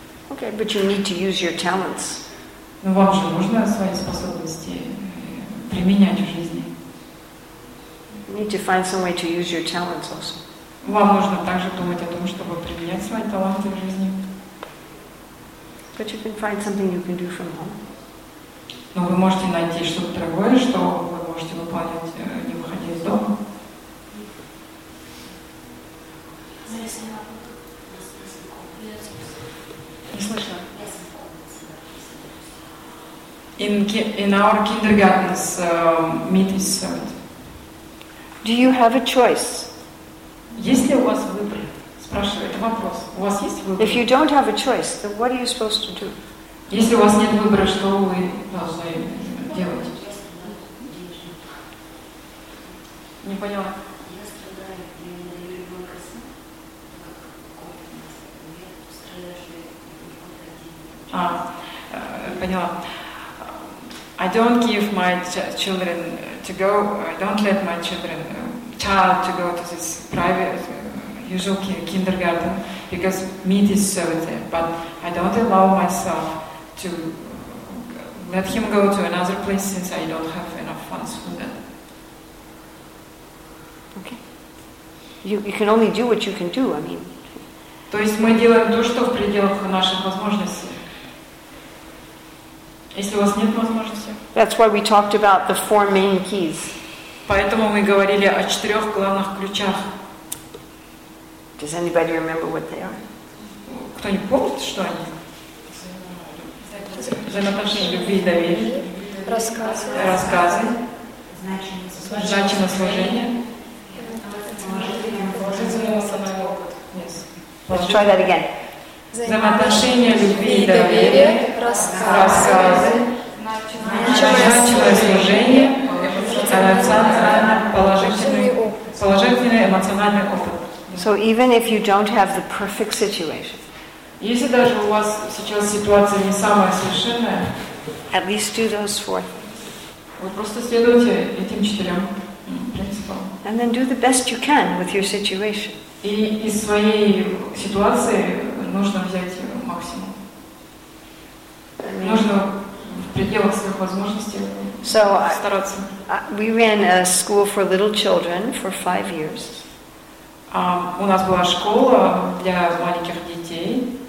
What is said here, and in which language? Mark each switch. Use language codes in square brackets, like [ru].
[en] Okay, but you need to use your talents. [ru] Но вам же нужно свои способности применять в жизни. [en] You need to find some way to use your talents also. [ru] Вам нужно также думать о том, чтобы применять свои таланты в жизни. [en] But you can find something you can do from home. [ru] Но вы можете найти что-то другое, что вы можете выполнять, не выходя из дома. Не слышала? [en] In our kindergartens, meat is served. Do you have a choice? [ru] Есть ли у вас выбор? Спрашиваю, это вопрос. У вас есть выбор? [en] If you don't have a choice, then what are you supposed to do? [ru] Если у вас нет выбора, что вы должны делать? Не поняла. Поняла. [en] I don't give my children to go. I don't let my children, child, to go to this private, usual kindergarten because meat is served there. But I don't allow myself to let him go to another place since I don't have enough funds for that. Okay. You can only do what you can do. I mean. [ru] То есть мы делаем то, что в пределах наших возможностей. Если у вас нет возможности. [en] That's why we talked about the four main keys. [ru] Поэтому мы говорили о четырех главных ключах. [en] Does anybody remember what they are? [ru] Кто не помнит, что они? Взаимоотношения, любви и доверия. Рассказы. Значимость служения. [en] Yes. Let's try that again. [ru] Взаимоотношения, любви и доверия, рассказы, значимое служение, положительный эмоциональный опыт. [en] So even if you don't have the perfect situation, [ru] если даже у вас сейчас ситуация не самая совершенная, [en] at least do those four. [ru] Вы просто следуйте этим четырем принципам. [en] And then do the best you can with your situation. [ru] И из своей ситуации нужно взять максимум. Нужно в пределах своих возможностей стараться. [en] We ran a school for little children for 5 years. [ru] У нас была школа для маленьких детей.